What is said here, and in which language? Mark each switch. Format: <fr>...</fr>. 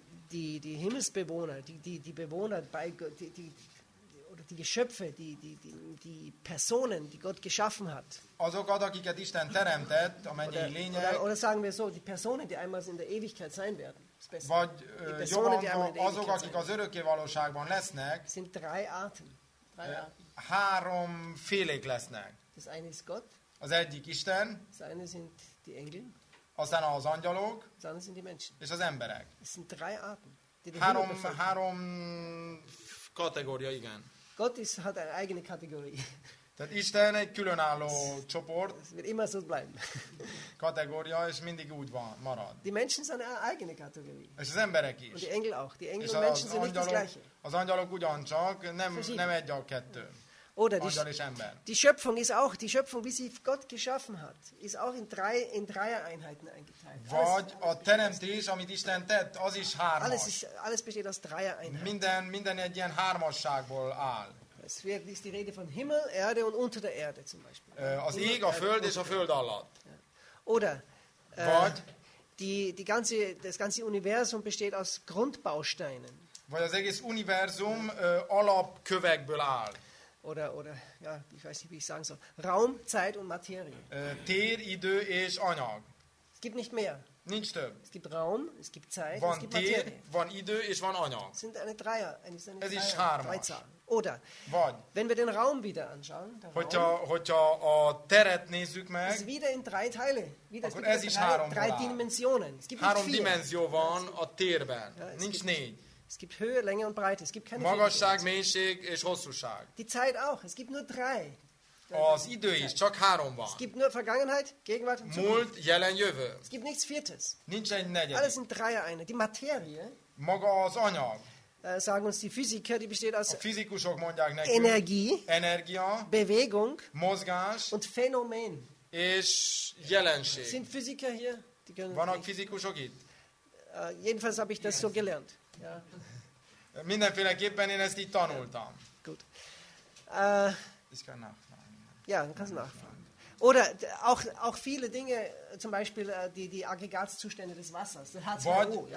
<de>Die Himmelsbewohner, die Bewohner bei Gott, die Geschöpfe, die Personen, die Gott geschaffen hat.</de> <hu>Azokat, akiket Isten teremtett, a mennyei lények.</hu> <de>Oder sagen wir so, die Personen, die einmal in der Ewigkeit sein werden.</de> <hu>Vagy jobban, azok, akik az örökké valóságban lesznek,</hu> <de>sind drei Arten.</de> <hu>Három félék lesznek.</hu> <de>Das eine ist Gott.</de> <hu>Az egyik Isten.</hu> <de>Das eine sind die Engel.</de> <hu>Aztán az angyalok.</hu> <de>Das andere sind die Menschen.</de> <hu>És az emberek.</hu> <de>Es sind drei Arten.</de> <hu>Három kategória, igen.</hu> <de>Gott ist, hat eine eigene Kategorie.</de> <hu>Tehát Isten egy különálló csoport.</hu> <de>Es wird immer so bleiben.</de> <hu>Kategória, és mindig úgy van, marad.</hu> <de>Die Menschen sind eine eigene Kategorie.</de> <hu>És az emberek is.</hu> <de>Und die Engel auch. Die Engel und Menschen sind nicht das gleiche.</de> <hu>Az angyalok ugyancsak, nem egy a kettő.</hu> <de>Oder</de> <hu>angyal és ember.</hu> <de>Die Schöpfung ist auch, die Schöpfung, wie sie Gott geschaffen hat, ist auch in drei Einheiten eingeteilt.</de> <hu>Vagy a teremtés, amit Isten tett, az is hármas.</hu> <de>Alles besteht aus drei Einheiten.</de> <hu>Minden egy ilyen hármasságból áll.</hu> <de>Es ist die Rede von Himmel, Erde und unter der Erde zum Beispiel.</de> <hu>Az ég, a Föld és a Föld alatt.</hu> <de>Oder das ganze Universum besteht aus Grundbausteinen.</de> <hu>Vagy az egész Univerzum alapkövekből áll.</hu> <de>Oder ja, ich weiß nicht, wie ich sagen soll. Raum, Zeit und Materie.</de> <hu>Tér, idő és anyag.</hu> <de>Es gibt nicht mehr.</de> <hu>Nincs több.</hu> <de>Es gibt Raum, es gibt Zeit,</de> <hu>van</hu> <de>es gibt Materie.</de> <hu>Van idő és van anyag.</hu> <de>Sind eine Dreier, eine</de> <hu>Ez is hármas.</hu> <de>Oder,</de> <hu>vagy,</hu> <de>wenn wir den Raum wieder anschauen, der</de> <hu>hogyha a teret nézzük meg,</hu> <de>ist wieder in drei Teile, wieder</de> <hu>akkor ez is három</hu> <de>drei Dimensionen. Es gibt</de> <hu>három Dimenzió van a térben, ja, nincs négy.</hu> <de>Es gibt Höhe, Länge und Breite, es gibt keine</de> <hu>Magasság, mélység és hosszúság.</hu> <de>Die Zeit auch, es gibt nur drei.</de> <hu>Az idő is, csak három van.</hu> <de>Es gibt nur Vergangenheit, Gegenwart und</de> <hu>Múlt, jelen, jövő.</hu> <de>Es gibt nichts Viertes.</de> <hu>Nincs egy negyedik.</hu> <de>Alles sind drei eine. Die Materie,</de> <hu>maga az anyag.</hu> <de>Sagen uns die Physiker, die besteht aus</de> <hu>a fizikusok mondják nekünk,</hu> <de>Energie,</de> <hu>Energia,</hu> <de>Bewegung,</de> <hu>Mozgás</hu> <de>und Phänomen.</de> <hu>És jelenség.</hu> <de>Sind Physiker hier? Die können</de> <hu>Vannak fizikusok itt?</hu> <de>Jedenfalls habe ich das so gelernt. Ja.</de> <hu>Mindenféleképpen én ezt így tanultam.</hu> <de>Gut. Ich kann nachfragen. Ja, du kannst nachfragen. Oder auch viele Dinge, zum Beispiel die Aggregatzustände des Wassers, H2O.</de>